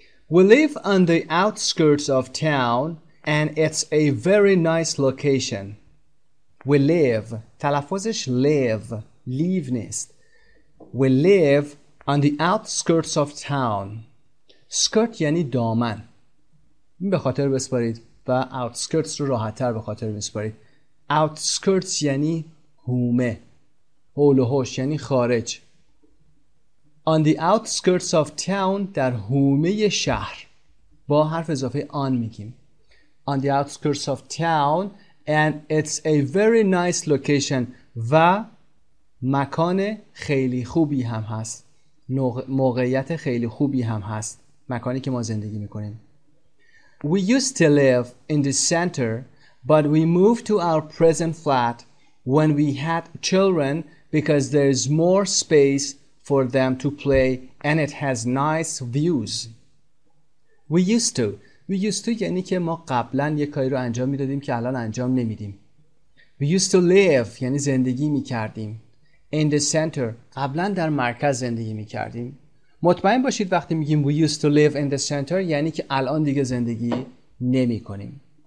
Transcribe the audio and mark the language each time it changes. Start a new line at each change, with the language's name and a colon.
English: We live on the outskirts of town and it's a very nice location. We live،
Persian: تلفظش
English: live، live
Persian: نیست.
English: We live on the outskirts of town.
Persian: Skirt یعنی دامن. این به خاطر بسپارید و outskirts رو راحت‌تر به خاطر بسپارید. Outskirts یعنی هومه، حول و حوش یعنی خارج.
English: On the outskirts of town،
Persian: در هومه شهر، با حرف اضافه آن میگیم.
English: On the outskirts of town and it's a very nice location،
Persian: و مکان خیلی خوبی هم هست، موقعیت خیلی خوبی هم هست، مکانی که ما زندگی میکنیم.
English: We used to live in the center, but we moved to our present flat when we had children because there's more space for them to play and it has nice views. We used to
Persian: یعنی که ما قبلا یه کاری رو انجام میدادیم که الان انجام نمیدیم.
English: We used to live
Persian: یعنی زندگی میکردیم.
English: In the center،
Persian: قبلا در مرکز زندگی میکردیم. مطمئن باشید وقتی میگیم
English: we used to live in the center
Persian: یعنی که الان دیگه زندگی نمی کنیم.